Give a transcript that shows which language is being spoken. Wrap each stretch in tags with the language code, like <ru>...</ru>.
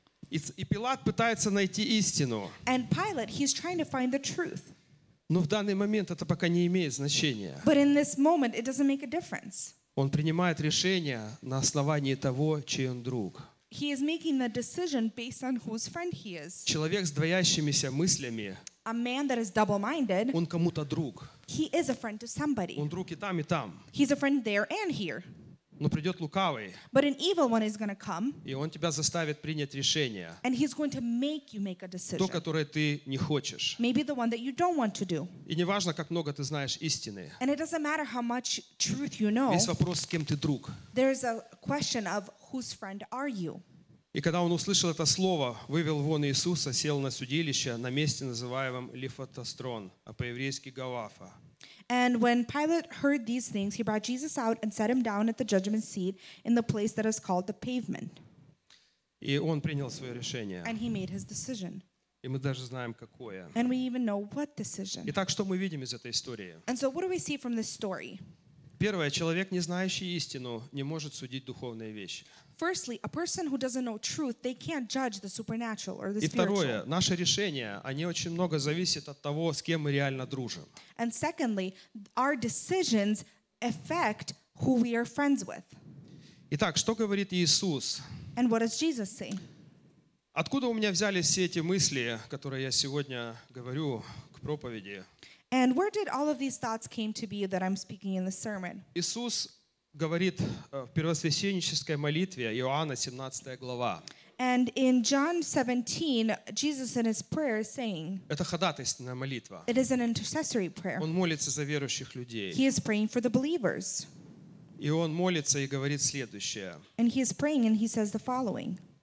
<ru>И Пилат пытается найти истину.</ru> <en>And Pilate, he's trying to find the truth.</en> <ru>Но в данный момент это пока не имеет значения.</ru> <en>But in this moment, it doesn't make a difference.</en> <ru>Он принимает решение на основании того, чей он друг.</ru> <en>He is making the decision based on whose friend he is.</en> <ru>Человек с двоящимися мыслями.</ru> <en>A man that is double-minded.</en> <ru>Он кому-то друг.</ru> <en>He is a friend to somebody.</en> <ru>Он друг и там, и там.</ru> <en>He's a friend there and here.</en> <ru>Но придет лукавый.</ru> <en>But an evil one is going to come.</en> <ru>И он тебя заставит принять решение.</ru> <en>And he's going to make you make a decision.</en> <ru>То, которое ты не хочешь.</ru> <en>Maybe the one that you don't want to do.</en> <ru>И не важно, как много ты знаешь истины.</ru> <en>And it doesn't matter how much truth you know.</en> <ru>Есть вопрос, с кем ты друг.</ru> <en>There's a question of whose friend are you?</en> <ru>И когда он услышал это слово, вывел вон Иисуса, сел на судилище, на месте, называемом Лифатострон, а по-еврейски Гавафа.</ru> <en>And when Pilate heard these things, he brought Jesus out and set him down at the judgment seat in the place that is called the pavement.</en> <ru>И он принял свое решение.</ru> <en>And he made his decision.</en> <ru>И мы даже знаем, какое.</ru> <en>And we even know what decision.</en> <ru>Итак, что мы видим из этой истории?</ru> <en>And so what do we see from this story?</en> <ru>Первое, человек, не знающий истину, не может судить духовные вещи.</ru> <en>Firstly, a person who doesn't know truth, they can't judge the supernatural or the</en> <ru>И второе,</ru> <en>spiritual.</en> <ru>Наши решения, они очень много зависят от того, с кем мы реально дружим.</ru> <en>And secondly, our decisions affect who we are friends with.</en> <ru>Итак, что говорит Иисус?</ru> <en>And what does Jesus say?</en> <ru>Откуда у меня взялись все эти мысли, которые я сегодня говорю к проповеди?</ru> <en>And where did all of these thoughts came to be that I'm speaking in the sermon?</en> <ru>Иисус говорит в первосвященнической молитве Иоанна 17 глава.</ru> <en>And in John 17, Jesus in his prayer is saying,</en> <ru>это ходатайственная молитва.</ru> <en>It is an intercessory prayer.</en> <ru>Он молится за верующих людей.</ru> <en>He is praying for the believers.</en> <ru>И он молится и говорит следующее.</ru> <en>And he is praying and he says the following.</en>